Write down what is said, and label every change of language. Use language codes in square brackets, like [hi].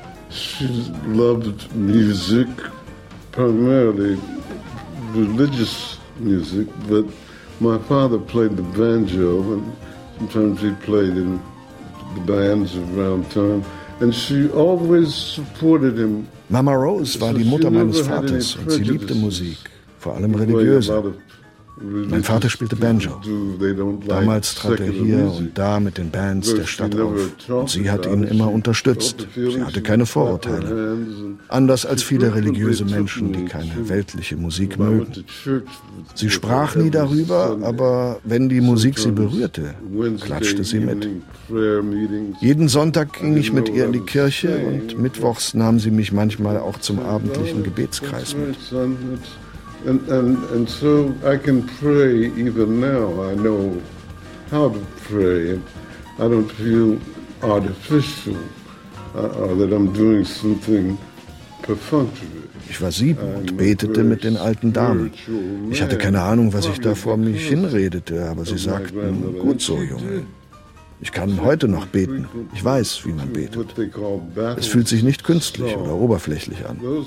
[en] She loved music, primarily religious music, but my father played the banjo and sometimes he played in the bands around town. And she always supported him. [de] Mama Rose war die Mutter meines Vaters und sie liebte Musik, vor allem religiöse. Mein Vater spielte Banjo. Damals trat er hier und da mit den Bands der Stadt auf. Und sie hat ihn immer unterstützt. Sie hatte keine Vorurteile. Anders als viele religiöse Menschen, die keine weltliche Musik mögen. Sie sprach nie darüber, aber wenn die Musik sie berührte, klatschte sie mit. Jeden Sonntag ging ich mit ihr in die Kirche und mittwochs nahm sie mich manchmal auch zum abendlichen Gebetskreis mit. [en] And so I can pray even now. I know how to pray. I don't feel artificial or that I'm doing something perfunctory. [de] Ich war 7 und betete mit den alten Damen. Ich hatte keine Ahnung, was ich da vor mich hinredete, aber sie sagten, gut so, Junge. Ich kann heute noch beten. Ich weiß, wie man betet. Es fühlt sich nicht künstlich oder oberflächlich an.